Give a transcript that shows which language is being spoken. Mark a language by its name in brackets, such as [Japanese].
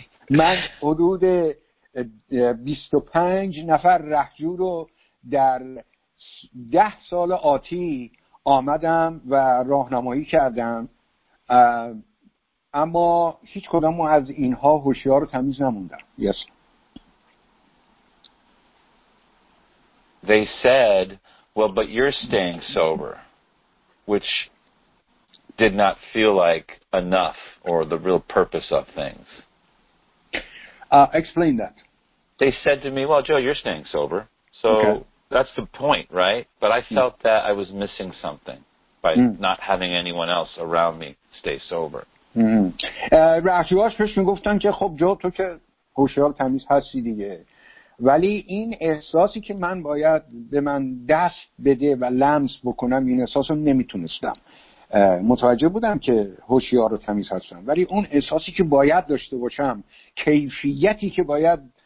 [Persian] من حدود 25 نفر رهجو رو در 10 سال آتی آمدم و راهنمایی کردم، اما هیچ کدام از اینها هوشیار و تمیز نموندم. [English] Yes. They said, well, but you're staying sober, which did not feel like enough or the real purpose of things. Explain that. They said to me, well, Joe, you're staying sober. So okay. that's the point, right? But I felt that I was missing something by not having anyone else around me stay sober. [Persian] رحجوهاش پشت میگفتن که خب جو تو که هوشیار تمیز هستی دیگه، ولی این احساسی که من باید به من دست بده و لمس بکنم، این احساس رو نمیتونستم. متوجه بودم که هوشیار رو تمیز هستم، ولی اون احساسی که باید داشته باشم، کیفیتی که باید